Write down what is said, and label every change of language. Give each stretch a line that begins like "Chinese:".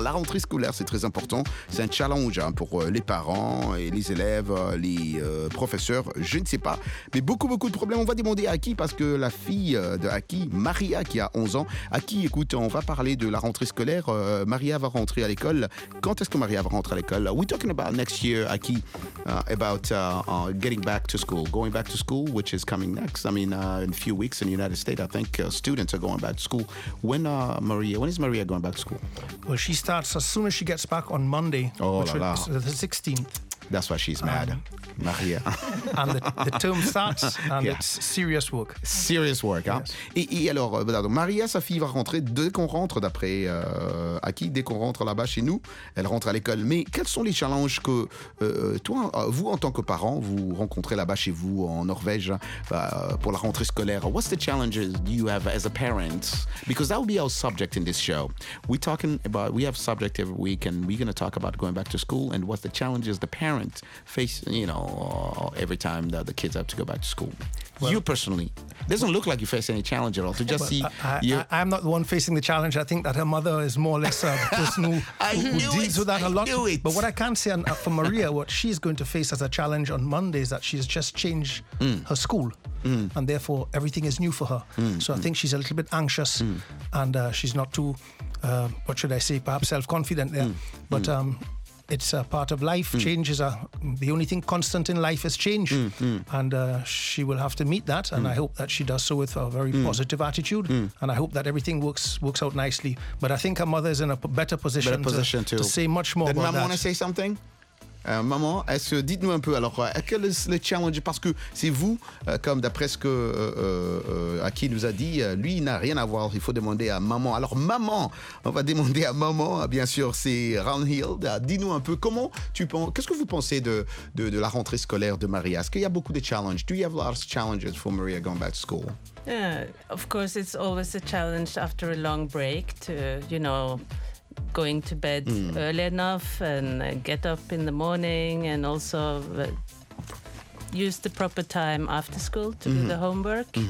French: La rentrée scolaire, c'est très important. C'est un challenge pour les parents et les élèves, les professeurs, je ne sais pas. Mais beaucoup, beaucoup de problèmes. On va demander à Aki, parce que la fille de Aki, Maria, qui a 11 ans, Aki, écoute, on va parler de la rentrée scolaire. Maria va rentrer à l'école. Quand est-ce que Maria va rentrer à l'école?
English: We're talking about next year, Aki, about getting back to school, going back to school, which is coming next. I mean, in a few weeks in the United States, I think students are going back to school. When is Maria going back to school? Well, she starts as soon as she gets back on Monday, the 16th. That's why she's mad, Maria. And the term starts, and it's serious work. Serious work,
French: hein? Yes. Et alors, Maria, sa fille, va rentrer dès qu'on rentre, d'après Aki, dès qu'on rentre là-bas chez nous, elle rentre à l'école. Mais quels sont les challenges que vous, en tant que parent, vous rencontrez là-bas chez vous, en Norvège, pour la rentrée scolaire?
English: What's the challenges you have as a parent? Because that will be our subject in this show. We're talking about, we have subject every week, and we're going to talk about going back to school, and what's the challenges the parent face, you know, every time that the kids have to go back to school. Well, you personally, doesn't look like you face any challenge at all. To just see, I'm not the one facing the challenge. I think that her mother is more or less a person who deals with that a lot. But what I can say for Maria, what she's going to face as a challenge on Monday is that she's just changed her school, and therefore everything is new for her. So I think she's a little bit anxious, and she's not too, what should I say, perhaps self-confident there. But it's a part of life. Change is the only thing constant in life is change. And she will have to meet that. And I hope that she does so with a very positive attitude. And I hope that everything works out nicely. But I think her mother is in a better position to say much more about Did Mama want to say something?
French: Maman, est-ce que, dites-nous un peu, alors, quel est le challenge? Parce que c'est vous, comme d'après ce que Aki nous a dit, lui, il n'a rien à voir, il faut demander à maman. Alors, maman, on va demander à maman, bien sûr, c'est Roundhill. Dis-nous un peu, comment tu penses, qu'est-ce que vous pensez de la rentrée scolaire de Maria? Est-ce qu'il y a beaucoup de challenges?
English: Do you have a lot of challenges for Maria going back to school? Of course, it's always a challenge after a long break to, you know, going to bed early enough and get up in the morning, and also use the proper time after school to do the homework.